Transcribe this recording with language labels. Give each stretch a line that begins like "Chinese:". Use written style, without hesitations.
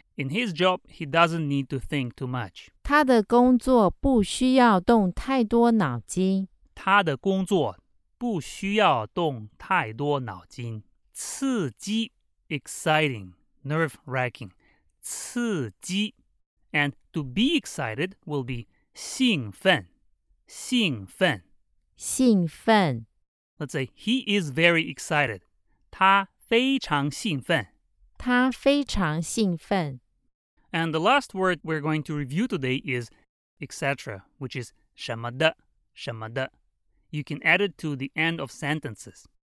English: In his job, he doesn't need to think too much.
Chinese: 他的工作不需要动太多脑筋。他的工作不需要动太多脑筋。刺激
English: exciting, nerve-wracking.
Chinese: 刺激
English: And to be excited will be 兴奋。兴奋。兴奋。 Let's say he is very excited.
Chinese: 他非常兴奋。他非常兴奋。
English: And the last word we're going to review today is etc, which is 什么的。什么的。 You can add it to the end of sentences.